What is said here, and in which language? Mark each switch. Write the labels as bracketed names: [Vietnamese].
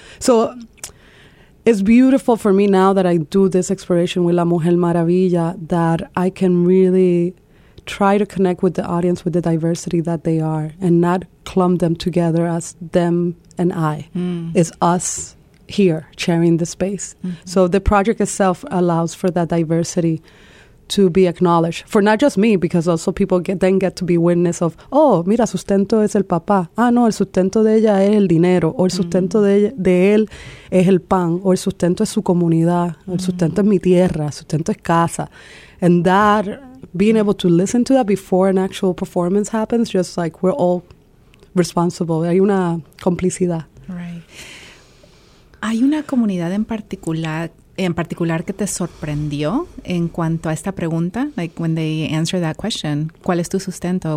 [English] So it's beautiful for me now that I do this exploration with La Mujer Maravilla, that I can really try to connect with the audience with the diversity that they are, and not clump them together as them and I. Mm. It's us here sharing the space. Mm-hmm. So the project itself allows for that diversity to be acknowledged, for not just me, because also people get to be witness of, oh, [Spanish] mira, sustento es el papá. Ah, no, el sustento de ella es el dinero. O el sustento de él es el pan. O el sustento es su comunidad. Mm-hmm. El sustento es mi tierra. El sustento es casa. [English] And that, being able to listen to that before an actual performance happens, just like we're all responsible. [Spanish] Hay una complicidad. Right. Hay una comunidad en particular que te sorprendió en cuanto a esta pregunta, [English] like when they answer that question, [Spanish] ¿cuál es tu sustento?